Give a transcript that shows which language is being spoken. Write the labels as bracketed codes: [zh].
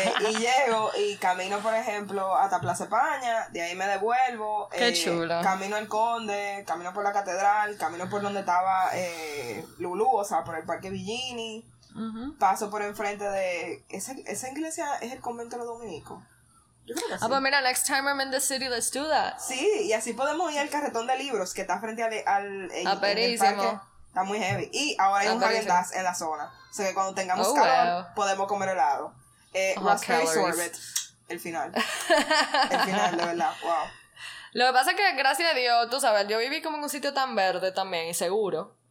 [es] y llego y camino, por ejemplo, hasta Plaza España, de ahí me devuelvo. Qué chulo. Camino al Conde, camino por la Catedral, camino por donde estaba Lulú, o sea, por el Parque Villini. Paso por enfrente de esa iglesia, es el convento de los dominicos. Yo creo que sí. Ah, pero mira, [en] next time I'm in the city, let's do that. [es] Sí, y así podemos ir al carretón de libros que está frente al aperísimo. Está muy heavy. Y ahora hay aperísimo. Un Haagen Dazs en la zona. O sea que cuando tengamos calor, podemos comer helado. Raspberry sorbet. El final, de verdad. Wow. Lo que pasa es que, gracias a Dios, tú sabes, yo viví como en un sitio tan verde también y seguro.